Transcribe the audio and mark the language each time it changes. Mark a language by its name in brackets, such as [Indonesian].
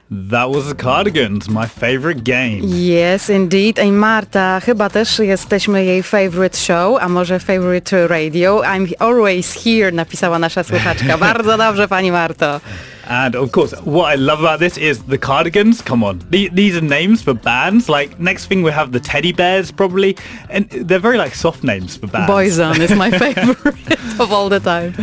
[English] That was the Cardigans, my favorite game. Yes, indeed. [Polish] I Marta, chyba też jesteśmy jej [English] favorite show, [Polish] a może [English] favorite radio. I'm always here, [Polish] napisała nasza słuchaczka. Bardzo dobrze, pani Marto. [English] And of course, what I love about this is the cardigans. Come on. These are names for bands. Like, next thing we have the teddy bears, probably. And they're very, like, soft names for bands. Boyzone is my favorite of all the time.